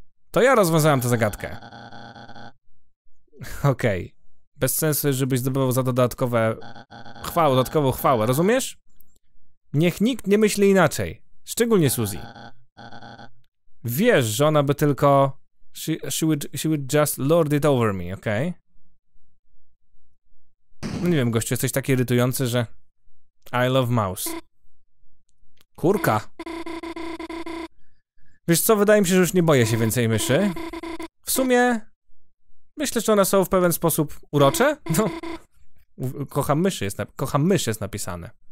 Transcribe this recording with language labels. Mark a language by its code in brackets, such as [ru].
[pl] To ja rozwiązałem tę zagadkę. Okej. Okay. Bez sensu, żebyś zdobywał za dodatkowe... chwałę, dodatkową chwałę, rozumiesz? Niech nikt nie myśli inaczej. Szczególnie Suzy. Wiesz, że ona by tylko... [en] She would just lord it over me, okej? Okay? [pl] No nie wiem, gościu, jesteś taki irytujący, że... [en] I love mouse. [pl] Kurka. Wiesz co, wydaje mi się, że już nie boję się więcej myszy. W sumie... Myślę, że one są w pewien sposób urocze? No. Kocham myszy jest napisane.